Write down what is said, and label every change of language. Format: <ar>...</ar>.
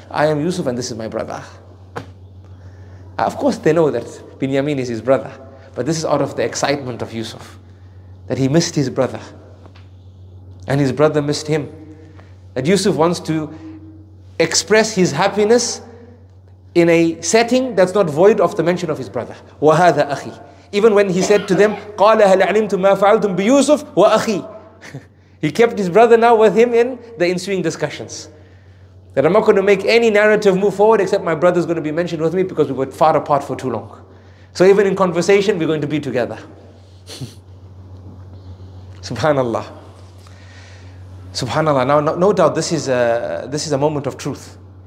<en>I am Yusuf and this is my brother. Of course they know that Binyamin is his brother. But this is out of the excitement of Yusuf. That he missed his brother. And his brother missed him. That Yusuf wants to express his happiness in a setting that's not void of the mention of his brother.</en> <ar>وَهَذَا أَخِي.</ar> <en>Even when he said to them,</en> <ar>قَالَ هَلْ عَلِمْتُمْ مَا فَعَلْتُمْ بِيُوسُفُ وَأَخِي.</ar> <en>He kept his brother now with him in the ensuing discussions. That I'm not going to make any narrative move forward except my brother's going to be mentioned with me because we were far apart for too long. So even in conversation, we're going to be together. Subhanallah. Subhanallah. Now, no doubt, this is a moment of truth.</en>